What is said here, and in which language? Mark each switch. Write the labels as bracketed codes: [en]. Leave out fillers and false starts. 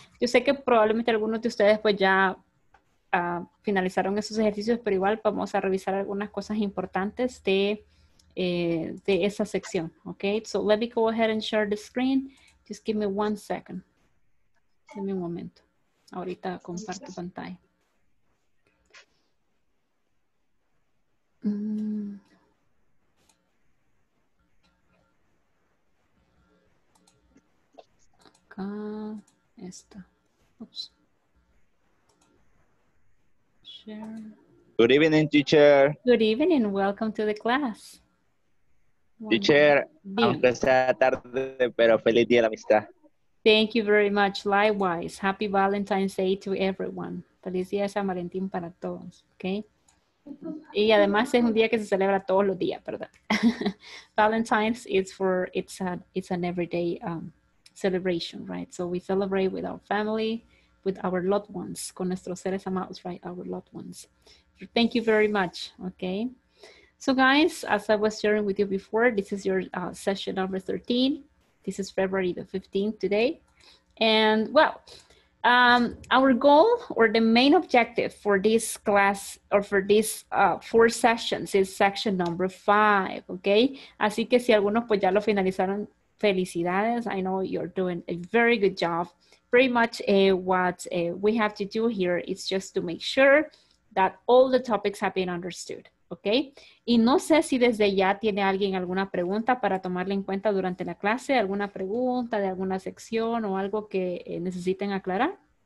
[es] Yo sé que probablemente algunos de ustedes pues ya finalizaron esos ejercicios, pero igual vamos a revisar algunas cosas importantes de esa sección, ¿ok? [en] So let me go ahead and share the screen. Just give me one second. [es] Dame un momento. Ahorita comparto pantalla. Acá está. Oops. [en] Share. Good evening, teacher. Good evening. Welcome to the class. [es] Teacher, aunque sea tarde, pero feliz día de la amistad. [en] Thank you very much. Likewise, happy Valentine's Day to everyone. [es] Feliz día de San Valentín para todos, okay? Y además es un día que se celebra todos los días, ¿verdad? [en] Valentine's is for, it's an everyday celebration, right? So we celebrate with our family, with our loved ones, [es] con nuestros seres amados, [en] right? Our loved ones. Thank you very much, okay? So guys, as I was sharing with you before, this is your session number 13. This is February the 15th today. And well, our goal or the main objective for this class or for these four sessions is section number 5, okay? [es] Así que si algunos pues ya lo finalizaron, felicidades. [en] I know you're doing a very good job. Pretty much what we have to do here is just to make sure that all the topics have been understood. [es] Ok, y no sé si desde ya tiene alguien alguna pregunta para tomarle en cuenta durante la clase, alguna pregunta de alguna sección o algo que necesiten aclarar.